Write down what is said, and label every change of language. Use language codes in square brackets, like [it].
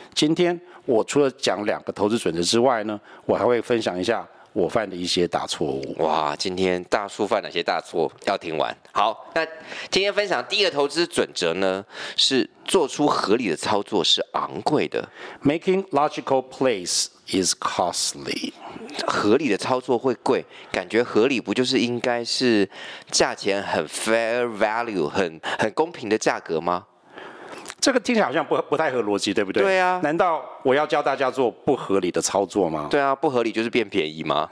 [zh] 今天我除了讲两个投资准则之外呢，我还会分享一下我犯的一些大错误。哇，今天大叔犯哪些大错要听完。好，那今天分享第一个投资准则呢，是做出合理的操作是昂贵的。 [en] Making logical plays is costly。 [zh] 合理的操作会贵，感觉合理不就是应该是价钱很 fair value， 很公平的价格吗？这个听起来好像 不太合逻辑，对不对？对啊，难道我要教大家做不合理的操作吗？对啊，不合理就是变便宜吗？